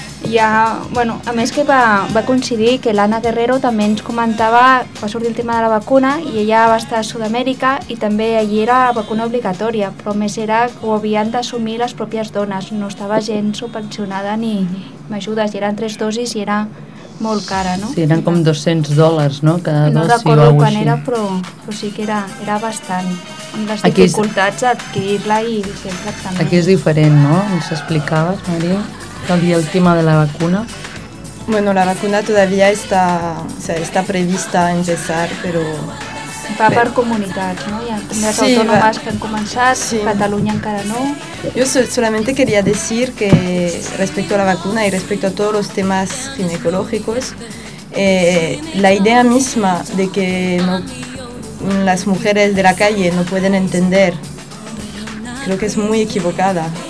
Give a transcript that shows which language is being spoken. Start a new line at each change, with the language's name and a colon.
Catalan: Ja, bueno, a més que va coincidir que l'Anna Guerrero també ens comentava, va sortir el tema de la vacuna i ella va estar a Sud-amèrica i també allí era vacuna obligatòria, però més era que ho havien d'assumir les pròpies dones, no estava gens subvencionada ni m'ajudes, i eren 3 dosis i era molt cara, no? Sí, eren com $200, no? Cada no recordo quan era, però sí que era bastant, amb les dificultats d'adquirir-la i fer el tractament. Aquí és diferent, no? Ens explicaves, Maria? El tema de la vacuna?
Spanish: Bueno, la vacuna todavía está, o sea, está prevista a empezar, pero...
Catalan: Va per comunitats, no? Hi ha les autònomes que han començat, sí. Catalunya encara no.
Spanish: Yo solamente quería decir que respecto a la vacuna y respecto a todos los temas ginecológicos, la idea misma de que no, las mujeres de la calle no pueden entender, creo que es muy equivocada.